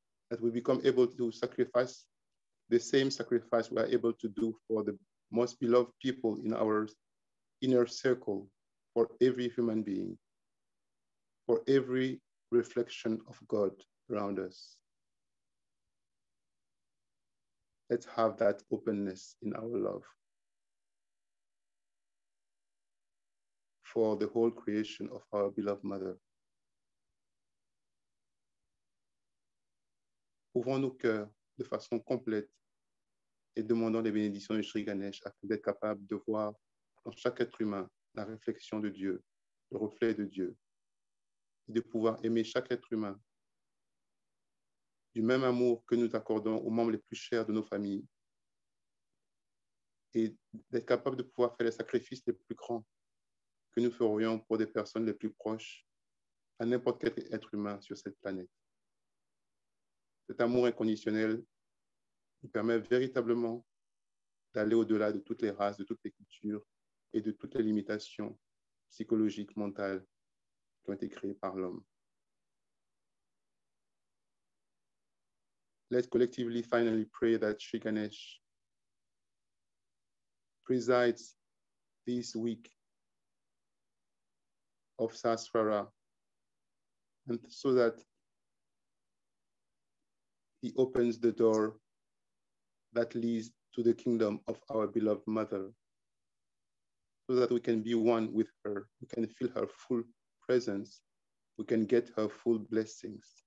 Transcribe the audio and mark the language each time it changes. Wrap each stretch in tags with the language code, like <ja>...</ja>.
<en>That we become able to sacrifice the same sacrifice we are able to do for the most beloved people in our inner circle, for every human being, for every reflection of God around us. Let's have that openness in our love for the whole creation of our beloved mother.</en> <fr>Ouvrons nos cœurs de façon complète et demandons les bénédictions de Shri Ganesh afin d'être capable de voir dans chaque être humain la réflexion de Dieu, le reflet de Dieu, et de pouvoir aimer chaque être humain du même amour que nous accordons aux membres les plus chers de nos familles et d'être capable de pouvoir faire les sacrifices les plus grands que nous ferions pour des personnes les plus proches à n'importe quel être humain sur cette planète. Cet amour inconditionnel nous permet véritablement d'aller au-delà de toutes les races, de toutes les cultures, et de toutes les limitations psychologiques, mentales qui ont été créées par l'homme.</fr> <en>Let's collectively finally pray that Shri Ganesh presides this week of Sahasrara, and so that he opens the door that leads to the kingdom of our beloved mother, so that we can be one with her, we can feel her full presence, we can get her full blessings.</en>